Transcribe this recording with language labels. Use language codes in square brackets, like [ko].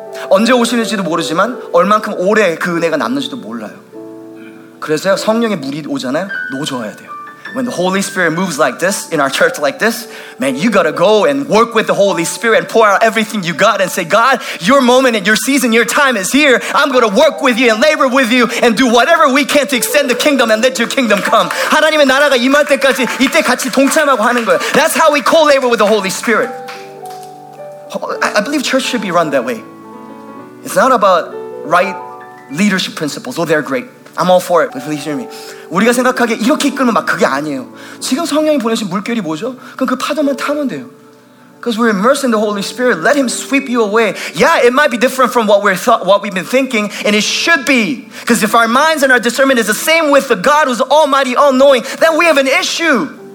[ko] 언제 오시는지도 모르지만 얼만큼 오래 그 은혜가 남는지도 몰라요. 그래서 성령의 물이 오잖아요. 노져야 돼요. [en] When the Holy Spirit moves like this in our church like this, man, you got to go and work with the Holy Spirit and pour out everything you got and say, God, your moment and your season, your time is here. I'm going to work with you and labor with you and do whatever we can to extend the kingdom and let your kingdom come. [ko] 하나님의 나라가 임할 때까지 이때 같이 동참하고 하는 거예요. [en] That's how we co-labor with the Holy Spirit. I believe church should be run that way. It's not about right leadership principles, though they're great. I'm all for it, but please hear me. [ko] 우리가 생각하기에 이렇게 이끌면 막 그게 아니에요. 지금 성령이 보내신 물결이 뭐죠? 그럼 그 파도만 타면 돼요. [en] Because we're immersed in the Holy Spirit, let Him sweep you away. Yeah, it might be different from what we've been thinking, and it should be. Because if our minds and our discernment is the same with the God who's almighty, all-knowing, then we have an issue.